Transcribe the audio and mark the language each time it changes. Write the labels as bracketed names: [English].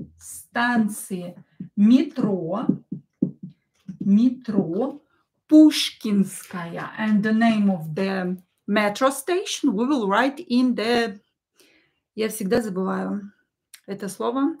[Russian] Станции метро Пушкинская. [English] And the name of the metro station we will write in the... [Russian] Я всегда забываю это слово.